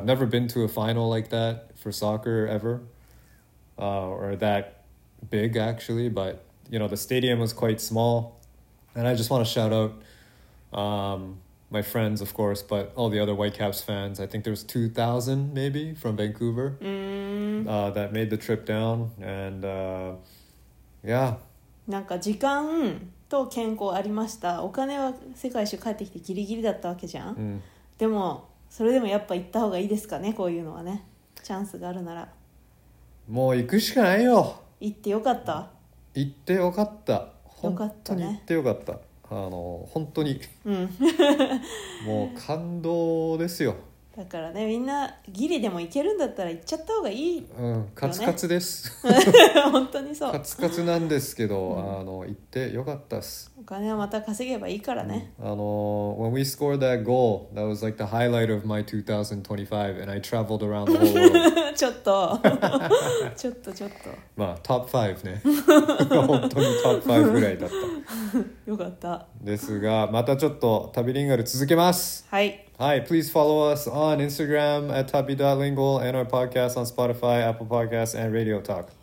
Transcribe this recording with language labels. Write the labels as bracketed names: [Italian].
[English] I've never been to a final like that for soccer ever. Or that big, actually. But, you know, the stadium was quite small. And I just want to shout out my friends, of course, but all the other Whitecaps fans. I think there was 2,000, maybe, from Vancouver that made the trip down. And, yeah. [Japanese] なんか時間と健康ありました。お金は世界一周帰ってきてギリギリだったわけじゃん、うん、でもそれでもやっぱ行った方がいいですかね、こういうのはね。チャンスがあるならもう行くしかないよ。行ってよかった。行ってよかった。本当に行ってよかった、ね、本当に、うん、もう感動ですよ。だからね、みんなギリでも行けるんだったら行っちゃった方がいい、ね、うん、カツカツです本当にそう、カツカツなんですけど、うん、行ってよかったっす。お金はまた稼げばいいからね、 [English] うん、When we scored that goal, that was like the highlight of my 2025 and I traveled around the whole world [Japanese] ちょっとちょっとちょっと、まあ、トップ5ね本当にトップ5ぐらいだったよかったですが、またちょっと旅リンガル続けます。はい [English] Hi, please follow us on Instagram at tabi.lingual and our podcast on Spotify, Apple Podcasts, and Radio Talk.